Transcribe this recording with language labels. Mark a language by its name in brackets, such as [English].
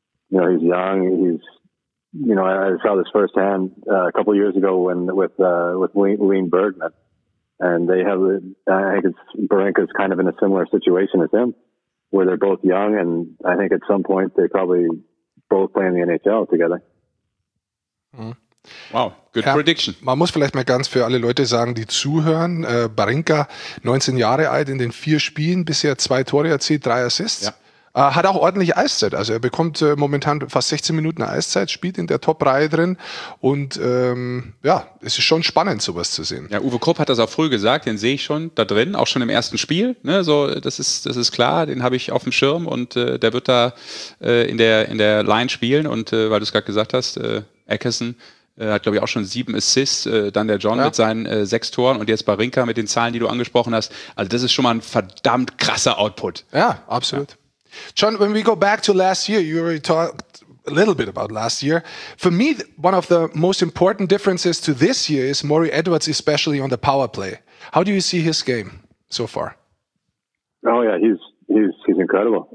[English] He's young. I saw this firsthand a couple of years ago with Wayne Bergman, and they have. I think Barinka's kind of in a similar situation as him, where they're both young, and I think at some point they probably both play in the NHL together. Wow, good prediction. [German] Man muss vielleicht mal ganz für alle Leute sagen, die zuhören, Barinka, 19 Jahre alt, in den 4 Spielen bisher 2 Tore erzielt, 3 Assists. Ja. Hat auch ordentlich Eiszeit. Also er bekommt momentan fast 16 Minuten Eiszeit, spielt in der Top-Reihe drin. Und es ist schon spannend, sowas zu sehen. Ja, Uwe Krupp hat das auch früh gesagt, den sehe ich schon da drin, auch schon im ersten Spiel. Ne? So, das ist klar, den habe ich auf dem Schirm und der wird da in der Line spielen. Und weil du es gerade gesagt hast, Ekkesen hat, glaube ich, auch schon 7 Assists, dann der John mit seinen 6 Toren und jetzt Barinka mit den Zahlen, die du angesprochen hast. Also das ist schon mal ein verdammt krasser Output. Ja, absolut. Ja. [English] John, when we go back to last year, you already talked a little bit about last year. For me, one of the most important differences to this year is Maury Edwards, especially on the power play. How do you see his game so far? Oh yeah, he's incredible.